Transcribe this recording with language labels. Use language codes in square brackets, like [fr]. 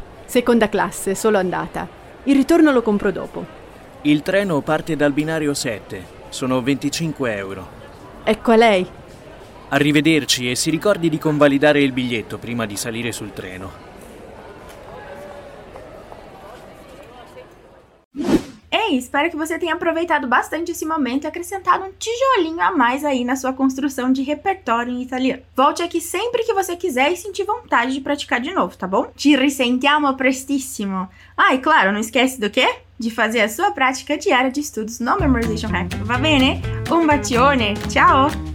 [it] Seconda classe, solo andata. Il ritorno lo compro dopo. Il treno parte dal binario 7. Sono 25 euro. Ecco a lei. Arrivederci e si ricordi di convalidare il biglietto prima di salire sul treno. [pt] Espero que você tenha aproveitado bastante esse momento e acrescentado um tijolinho a mais aí na sua construção de repertório em italiano. Volte aqui sempre que você quiser e sentir vontade de praticar de novo, tá bom? [it] Ci risentiamo prestissimo! [pt] Ah, e claro, não esquece do quê? De fazer a sua prática diária de estudos no Memorization Hack. [it] Va bene? Un bacione! Ciao!